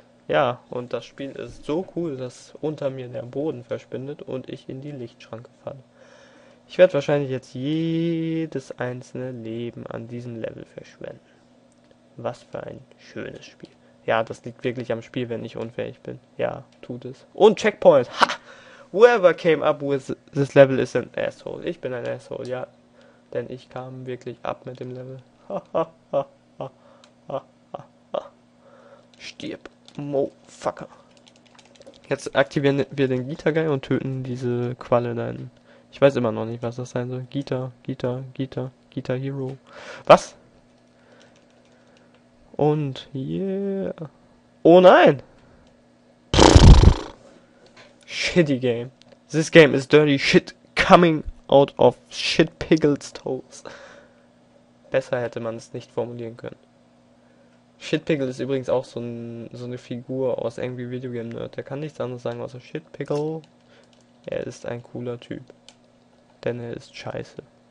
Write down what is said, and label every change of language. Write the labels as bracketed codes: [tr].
[de] Ja, und das Spiel ist so cool, dass unter mir der Boden verschwindet und ich in die Lichtschranke falle. Ich werde wahrscheinlich jetzt jedes einzelne Leben an diesem Level verschwenden. Was für ein schönes Spiel. Ja, das liegt wirklich am Spiel, wenn ich unfähig bin. Ja, tut es. Und Checkpoint. Ha! [en] Whoever came up with this level is an asshole. [de] Ich bin ein asshole, ja. Denn ich kam wirklich ab mit dem Level. Ha, ha, ha, ha, Stirb. Mo fucker. Jetzt aktivieren wir den Gita-Guy und töten diese Qualle dann. Ich weiß immer noch nicht, was das sein soll. Gita, Gita, Gita, Gita Hero. Was? Und yeah. Oh nein! [en] Shitty game. This game is dirty shit coming out of shit Piggles toes. [de] Besser hätte man es nicht formulieren können. Shit Piggle ist übrigens auch so eine Figur aus Angry Video Game Nerd. Der kann nichts anderes sagen außer Shit Piggle. Er ist ein cooler Typ. Denn er ist scheiße.